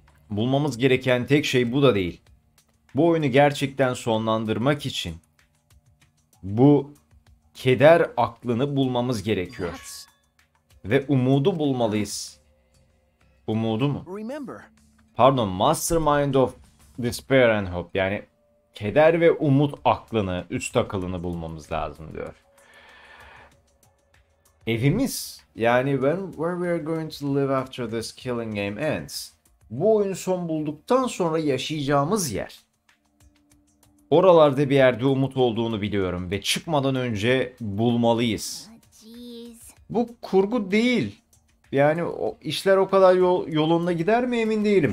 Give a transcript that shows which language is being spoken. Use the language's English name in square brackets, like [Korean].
[Turkish] Bulmamız gereken tek şey bu da değil. Bu oyunu gerçekten sonlandırmak için bu keder aklını bulmamız gerekiyor. Ve umudu bulmalıyız. Umudu mu? Pardon, [English] Mastermind of Despair and Hope. [Turkish] Yani keder ve umut aklını, üst akılını bulmamız lazım diyor. Evimiz. [English] Yani where we are going to live after this killing game ends. [Turkish] Bu oyunu son bulduktan sonra yaşayacağımız yer. Oralarda bir yerde umut olduğunu biliyorum ve çıkmadan önce bulmalıyız. Bu kurgu değil. Yani o işler o kadar yolunda gider mi emin değilim.